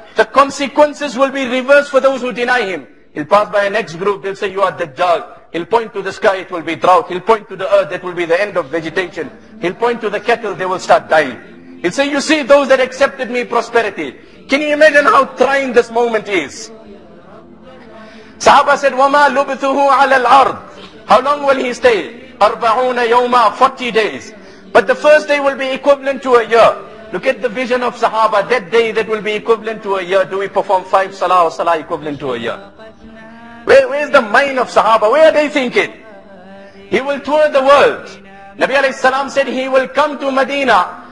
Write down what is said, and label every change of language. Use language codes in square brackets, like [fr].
[en] The consequences will be reversed for those who deny him. He'll pass by a next group, they'll say, you are Dajjal. He'll point to the sky, it will be drought. He'll point to the earth, that will be the end of vegetation. He'll point to the cattle, they will start dying. He'll say, you see those that accepted me prosperity. Can you imagine how trying this moment is? Sahaba said, [ar] وَمَا لُبْثُهُ عَلَى الْأَرْضِ. [en] How long will he stay? 40 يَوْمَا, 40 days. But the first day will be equivalent to a year. Look at the vision of Sahaba, that day that will be equivalent to a year. Do we perform 5 salah or salah equivalent to a year? Where is the mind of Sahaba? Where are they thinking? He will tour the world. Nabi alayhi salam said he will come to Medina.